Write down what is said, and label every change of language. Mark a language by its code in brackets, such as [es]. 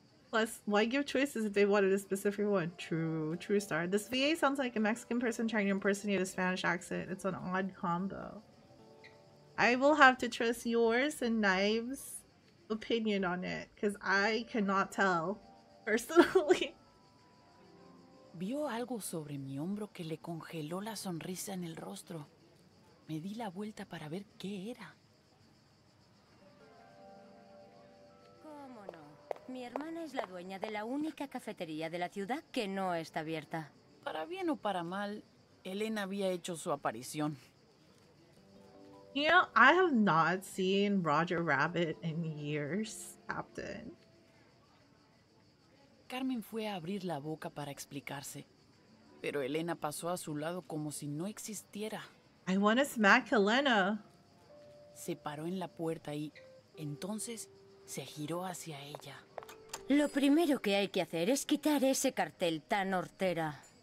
[en] Plus, why give choices if they wanted a specific one? True, true star. This VA sounds like a Mexican person trying to impersonate a Spanish accent. It's an odd combo. I will have to trust yours and Knives' opinion on it, because I cannot tell. Personally. [es] Vio algo sobre mi hombro que le congeló la sonrisa en el rostro. Me di la vuelta para ver qué era. ¿Cómo no? Mi hermana es la dueña de la única cafetería de la ciudad que no está abierta. Para bien o para mal, Elena había hecho su aparición. [en] You know, I have not seen Roger Rabbit in years, Captain. [es] Carmen fue a abrir la boca para explicarse, pero Elena pasó a su lado como si no existiera. [en] I want to smack Elena. [es] Se paró en la puerta y entonces se giró hacia ella. Lo primero que hay que hacer es quitar ese cartel tan hortera.